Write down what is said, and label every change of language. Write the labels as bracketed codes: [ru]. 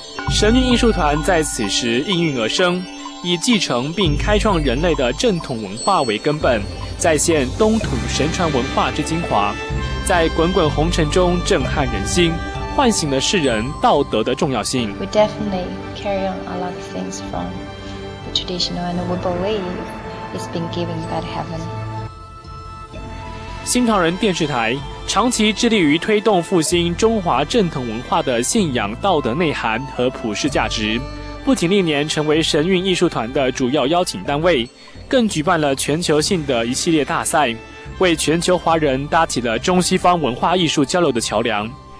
[zh] 神韵艺术团在此时应运而生，以继承并开创人类的正统文化为根本，再现东土神传文化之精华，在滚滚红尘中震撼人心，唤醒了世人道德的重要性。 [en] We definitely carry on a lot of things from the traditional and we believe it's been given by the heaven。 [zh] 新唐人电视台长期致力于推动复兴中华正统文化的信仰道德内涵和普世价值，不仅历年成为神韵艺术团的主要邀请单位，更举办了全球性的一系列大赛，为全球华人搭起了中西方文化艺术交流的桥梁。